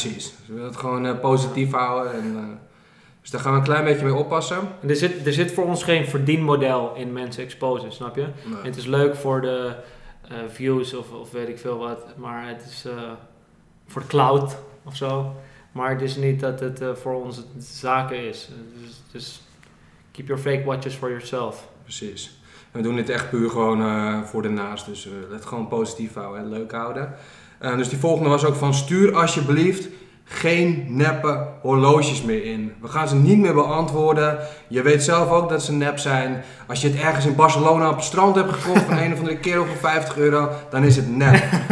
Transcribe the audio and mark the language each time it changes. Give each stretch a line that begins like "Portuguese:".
Dutch: Precies, dus we willen het gewoon positief houden. Dus daar gaan we een klein beetje mee oppassen. Er zit voor ons geen verdienmodel in mensen exposen, snap je? Nee. Het is leuk voor de views of weet ik veel wat, maar het is voor de cloud of zo. Maar het is niet dat het voor ons zaken is.
English: Dus keep your fake watches for yourself.
Dutch: Precies. En we doen dit echt puur gewoon voor de naast. Dus let gewoon positief houden en leuk houden. Dus die volgende was ook van stuur alsjeblieft geen neppe horloges meer in. We gaan ze niet meer beantwoorden. Je weet zelf ook dat ze nep zijn. Als je het ergens in Barcelona op het strand hebt gekocht van een of andere kerel voor 50 euro, dan is het nep.